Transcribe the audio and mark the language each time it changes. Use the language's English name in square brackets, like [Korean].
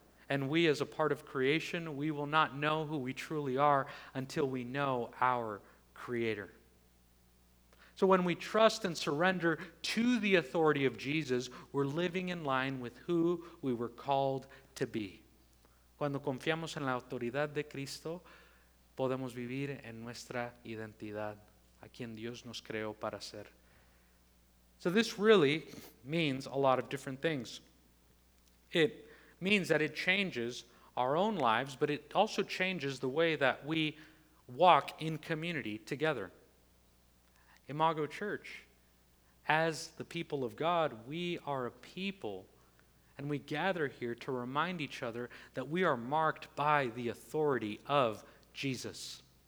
[English] And we, as a part of creation, we will not know who we truly are until we know our Creator. So when we trust and surrender to the authority of Jesus, we're living in line with who we were called to be. [Spanish] Cuando confiamos en la autoridad de Cristo, podemos vivir en nuestra identidad, a quien Dios nos creó para ser. [English] So this really means a lot of different things. It means that it changes our own lives, but it also changes the way that we walk in community together. Imago Church, as the people of God, we are a people, and we gather here to remind each other that we are marked by the authority of Jesus.